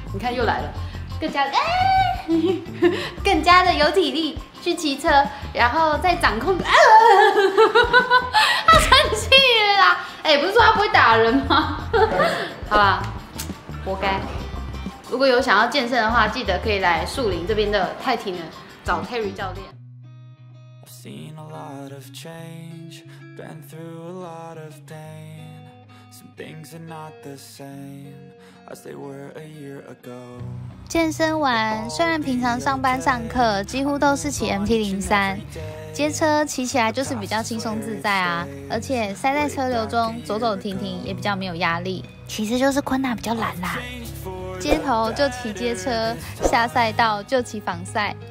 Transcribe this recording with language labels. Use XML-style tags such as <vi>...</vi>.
<zh>你看又来了，更加哎，更加的有体力去骑车，然后再掌控。啊、他生气了啦！哎，不是说他不会打人吗？好吧，活该。如果有想要健身的话，记得可以来树林这边的泰体能找 Terry 教练。</zh> <en>Seen a lot of change, been through a lot of pain. Some things are not the same as they were a year ago.</en> <zh>健身完，虽然平常上班上课几乎都是骑 MT03， 街车骑起来就是比较轻松自在啊，而且塞在车流中走走停停也比较没有压力。其实就是昆娜比较懒啦。街头就骑街车，下赛道就骑防晒，</zh>